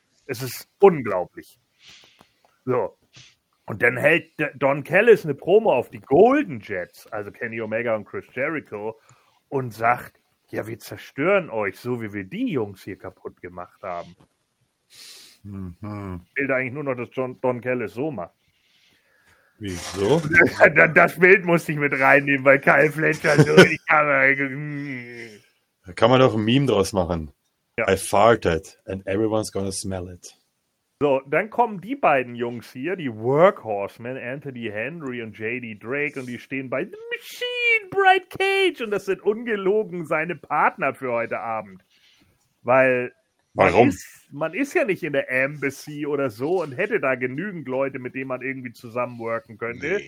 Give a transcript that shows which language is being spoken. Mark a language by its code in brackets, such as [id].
[de] Es ist unglaublich. So. Und dann hält Don Callis eine Promo auf die Golden Jets, also Kenny Omega und Chris Jericho, und sagt, ja, wir zerstören euch, so wie wir die Jungs hier kaputt gemacht haben. Mhm. Bild eigentlich nur noch, dass Don Callis so macht. Wieso? Das Bild musste ich mit reinnehmen, weil Kyle Fletcher so in die Kamera. Da kann man doch ein Meme draus machen. [en] Ja. I farted and everyone's gonna smell it. [de] So, dann kommen die beiden Jungs hier, die Workhorsemen, Anthony Henry und J.D. Drake, und die stehen bei The Machine, Bright Cage, und das sind ungelogen seine Partner für heute Abend. Weil man ist ja nicht in der Embassy oder so und hätte da genügend Leute, mit denen man irgendwie zusammenworken könnte.